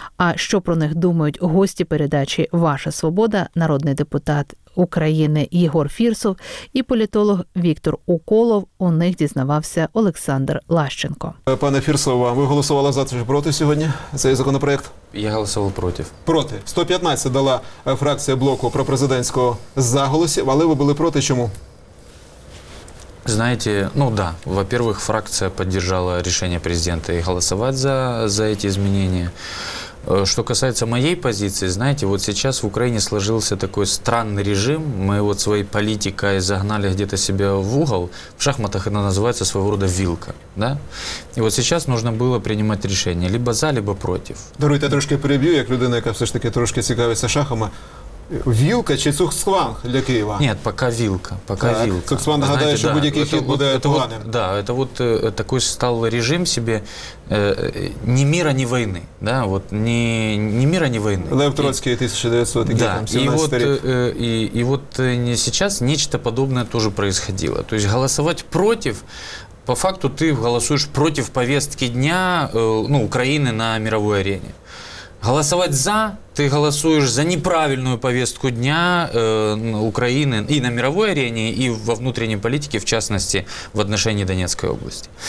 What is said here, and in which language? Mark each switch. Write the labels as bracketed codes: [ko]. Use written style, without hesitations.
[uk] А що про них думають гості передачі «Ваша свобода», народний депутат України Єгор Фірсов і політолог Віктор Уколов, у них дізнавався Олександр Лащенко. Пане Фірсово, ви голосували за чи проти сьогодні цей законопроект? Я голосував проти. Проти. 115 дала фракція блоку пропрезидентського заголосів, але ви були проти. Чому? [ru] Знаете, ну да, во-первых, фракция поддержала решение президента и голосовать за эти изменения. Что касается моей позиции, знаете, вот сейчас в Украине сложился такой странный режим, мы вот своей политикой загнали где-то себя в угол, в шахматах она называется своего рода вилка, да? И вот сейчас нужно было принимать решение, либо за, либо против. [uk] Даруйте, я трошки перебью, як людина, яка все ж таки трошки цікавиться шахами. Вілка чи цуксванг для Києва? Ні, поки вілка, поки вілка. Цуксванг, нагадаю, що будь-який хід буде поганим. [ru] Да, это вот такой стал режим себе [uk] ні міра, ні війни. [ru] Да, вот [uk] ні міра, ні війни. Лев Троцький, 1917 рік. [ru] Да, [uk] і от [ru] сейчас нечто подобное тоже происходило. То есть голосовать против, по факту ты голосуешь против повестки дня, ну, Украины на мировой арене. Голосовать за, ты голосуешь за неправильную повестку дня Украины и на мировой арене, и во внутренней политике, в частности, в отношении Донецкой области.